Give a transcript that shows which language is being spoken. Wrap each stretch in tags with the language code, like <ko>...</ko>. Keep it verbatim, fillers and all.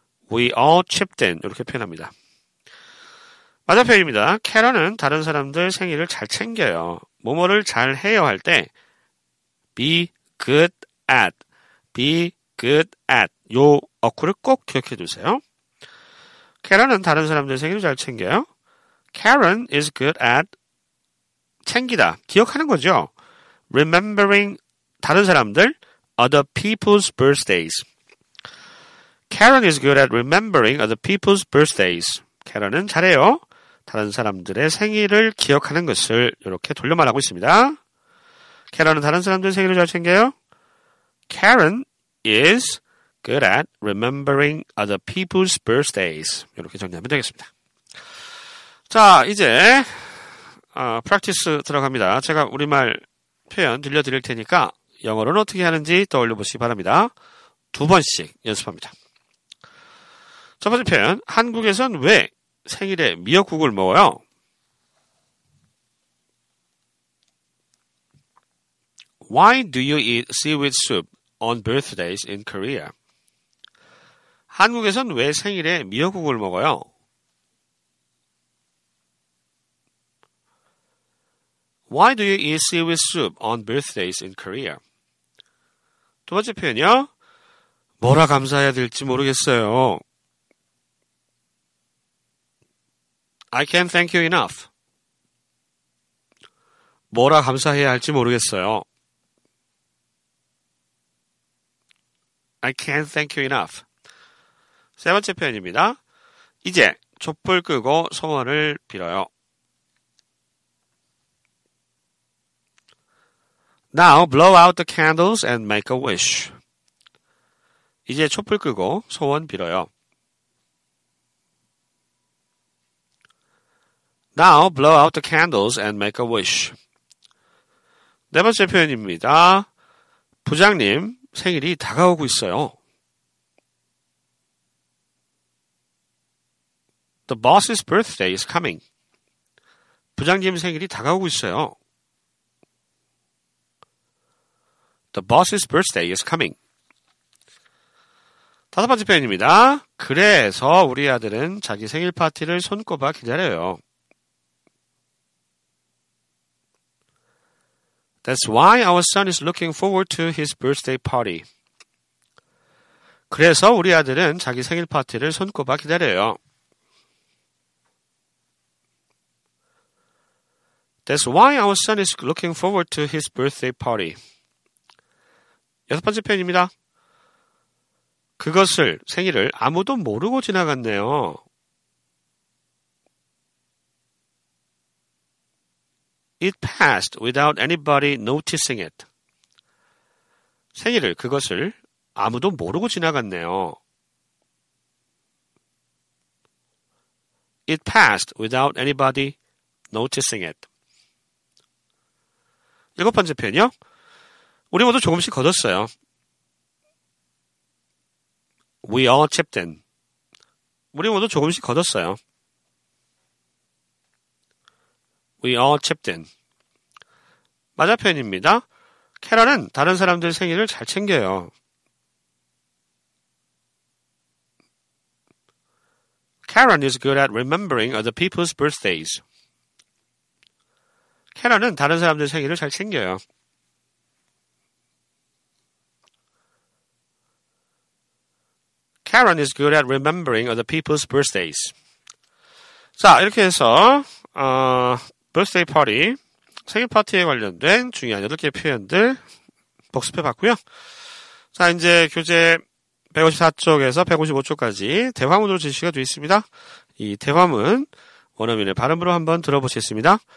<en>We all chipped in.</en> <ko>이렇게 표현합니다. 맞아 표현입니다. 캐런은 다른 사람들 생일을 잘 챙겨요. 뭐뭐를 잘 해요 할 때</ko> <en>be good at, be good at</en> <ko>요 어구를 꼭 기억해 두세요. 캐런은 다른 사람들 생일을 잘 챙겨요.</ko> <en>Karen is good at</en> <ko>챙기다, 기억하는 거죠.</ko> <en>Remembering</en> <ko>다른 사람들,</ko> <en>other people's birthdays. Karen is good at remembering other people's birthdays.</en> <ko>Karen은 잘해요. 다른 사람들의 생일을 기억하는 것을 이렇게 돌려 말하고 있습니다. Karen은 다른 사람들 생일을 잘 챙겨요.</ko> <en>Karen is good at remembering other people's birthdays.</en> <ko>이렇게 정리하면 되겠습니다. 자, 이제 어, 프랙티스 들어갑니다. 제가 우리말 표현 들려드릴 테니까 영어로는 어떻게 하는지 떠올려 보시기 바랍니다. 두 번씩 연습합니다. 첫 번째 표현, 한국에선 왜 생일에 미역국을 먹어요?</ko> <en>Why do you eat seaweed soup on birthdays in Korea?</en> <ko>한국에선 왜 생일에 미역국을 먹어요?</ko> <en>Why do you eat seaweed soup on birthdays in Korea?</en> <ko>두 번째 표현이요. 뭐라 감사해야 될지 모르겠어요.</ko> <en>I can't thank you enough.</en> <ko>뭐라 감사해야 할지 모르겠어요.</ko> <en>I can't thank you enough.</en> <ko>세 번째 표현입니다. 이제 촛불 끄고 소원을 빌어요.</ko> <en>Now blow out the candles and make a wish.</en> <ko>이제 촛불 끄고 소원 빌어요.</ko> <en>Now blow out the candles and make a wish.</en> <ko>네 번째 표현입니다. 부장님 생일이 다가오고 있어요.</ko> <en>The boss's birthday is coming.</en> <ko>부장님 생일이 다가오고 있어요.</ko> <en>The boss's birthday is coming.</en> <ko>다섯 번째 표현입니다. 그래서 우리 아들은 자기 생일 파티를 손꼽아 기다려요.</ko> <en>That's why our son is looking forward to his birthday party.</en> <ko>그래서 우리 아들은 자기 생일 파티를 손꼽아 기다려요.</ko> <en>That's why our son is looking forward to his birthday party.</en> <ko>여섯 번째 표현입니다. 그것을, 생일을 아무도 모르고 지나갔네요.</ko> <en>It passed without anybody noticing it.</en> <ko>생일을, 그것을 아무도 모르고 지나갔네요.</ko> <en>It passed without anybody noticing it.</en> <ko>일곱 번째 표현이요. 우리 모두 조금씩 걷었어요.</ko> <en>We all chipped in.</en> <ko>우리 모두 조금씩 걷었어요.</ko> <en>We all chipped in.</en> <ko>맞아 표현입니다. 캐런은 다른 사람들 생일을 잘 챙겨요.</ko> <en>Karen is good at remembering other people's birthdays.</en> <ko>Karen은 다른 사람들 생일을 잘 챙겨요.</ko> <en>Karen is good at remembering other people's birthdays.</en> <ko>자, 이렇게 해서 어, birthday party, 생일 파티에 관련된 중요한 여덟 개의 표현들 복습해봤고요. 자, 이제 교재 백오십사 쪽에서 백오십오 쪽까지 대화문으로 제시가 되어 있습니다. 이 대화문 원어민의 발음으로 한번 들어보시겠습니다.</ko>